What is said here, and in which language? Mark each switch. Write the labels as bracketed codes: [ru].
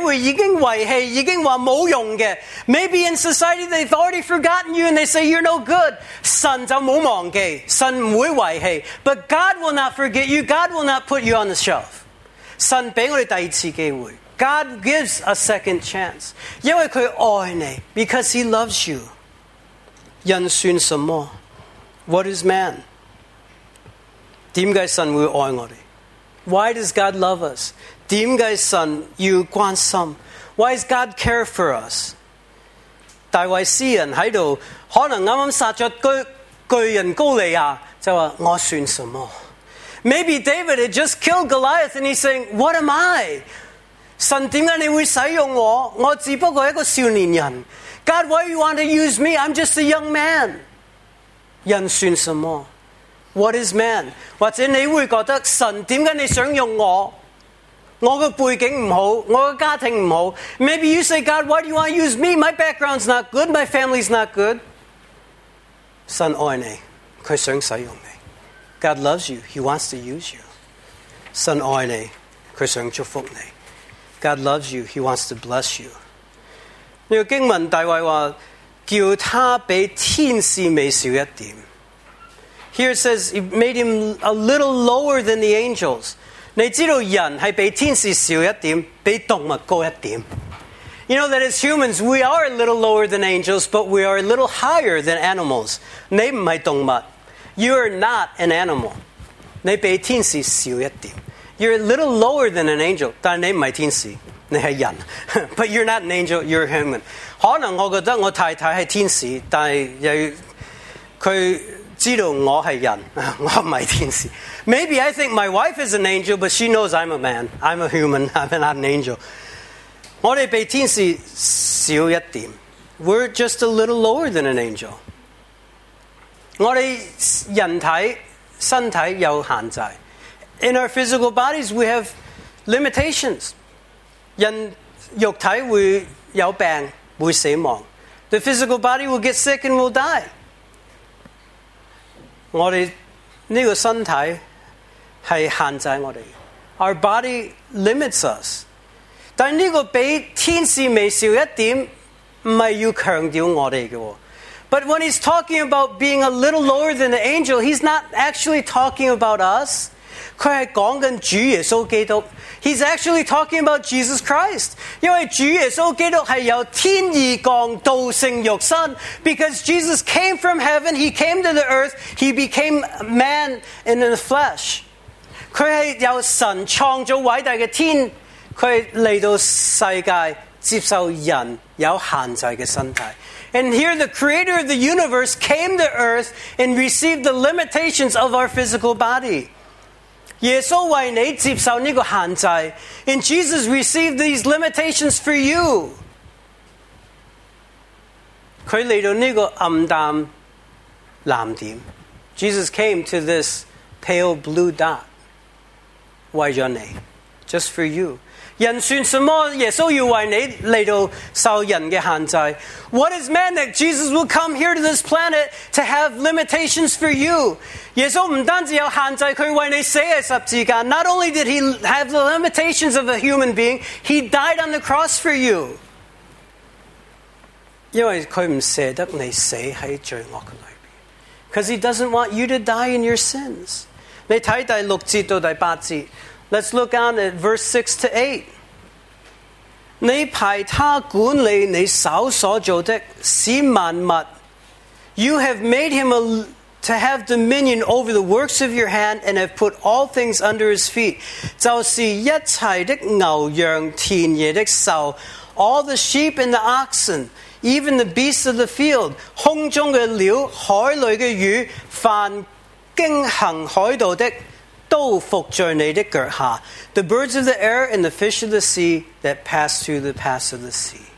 [zh] 神是给人第二次机会,可能社会已经遗弃,已经说没用的. [en] Maybe in society they've already forgotten you and they say you're no good. [zh] 神就没忘记,神不会遗弃. [en] But God will not forget you, God will not put you on the shelf. [zh] 神给我们第二次机会. [en] God gives a second chance. [zh] 因为他爱你, [en] because he loves you. [zh] 人算什么? [en] What is man? [zh] 为什么神会爱我们? [en] Why does God love us? [zh] 为什么神要关心? [en] Why does God care for us? [zh] 大卫诗人在这里,可能刚刚杀了巨人高利亚,就说,我算什么? [en] Maybe David had just killed Goliath and he's saying, what am I? [zh] 神为什么你会使用我? 我只不过是一个少年人. [en] God, why do you want to use me? I'm just a young man. [zh] 人算什么? [en] What is man? [zh] 或者你会觉得神点解你想用我？我的背景不好，我的家庭不好。 [en] Maybe you say, God, why do you want to use me? My background's not good. My family's not good. [zh] 神爱你，他想使用你。 [en] God loves you. He wants to use you. [zh] 神爱你，他想祝福你。 [en] God loves you. He wants to bless you. [zh] 这个经文大卫说，叫他比天使微小一点。 [en] Here it says, he made him a little lower than the angels. [zh] 你知道人是比天使少一点，比动物高一点。 [en] You know that as humans, we are a little lower than angels, but we are a little higher than animals. [zh] 你不是动物。 [en] You are not an animal. [zh] 你比天使少一点。 [en] You're a little lower than an angel, [zh] 但你不是天使，你是人。 [en] But you're not an angel, you're a human. [zh] 可能我觉得我太太是天使，但又她知道我是人，我不是天使。 [en] Maybe I think my wife is an angel, but she knows I'm a man. I'm a human. I'm not an angel. [zh] 我们比天使少一点。 [en] We're just a little lower than an angel. [zh] 我们人体、身体有限制。 [en] In our physical bodies, we have limitations. [zh] 人肉体会有病，会死亡。 [en] The physical body will get sick and will die. [zh] 我们这个身体是限制我们 [en] Our body limits us. [zh] 但这个比天使微小一点不是要强调我们的。 [en] But when he's talking about being a little lower than the angel, he's not actually talking about us. [zh] 他是讲跟主耶稣基督 [en] He's actually talking about Jesus Christ. [zh] 因为主耶稣基督是由天而降道成肉身 [en] Because Jesus came from heaven, he came to the earth, he became man in the flesh. [zh] 他是由神创造伟大的天他来到世界接受人有限制的身体。 [en] And here the creator of the universe came to earth and received the limitations of our physical body. [zh] 耶稣为你接受这个限制 [en] And Jesus received these limitations for you [zh] 他来到这个暗淡蓝点 [en] Jesus came to this pale blue dot [zh] 为了你 [en] Just for you [zh] 人算什么耶稣要为你来到受人的限制 [en] What is man that Jesus will come here to this planet to have limitations for you? [zh] 耶稣不单只有限制，他为你死在十字架。 [en] Not only did he have the limitations of a human being, he died on the cross for you. [zh] 因为他不舍得你死在罪恶里面。 [en] Because he doesn't want you to die in your sins. [zh] 你看第六节到第八节。 [en] Let's look on at verse 6 to 8. [zh] 你派他管理你手所做的，使万物。 [en] You have made him to have dominion over the works of your hand and have put all things under his feet. [zh] 就是一切的牛羊田野的兽 [en] all the sheep and the oxen, even the beasts of the field, [zh] 空中的鸟海里的鱼凡经行海道的都服在你的脚下 [en] the birds of the air and the fish of the sea that pass through the pass of the sea.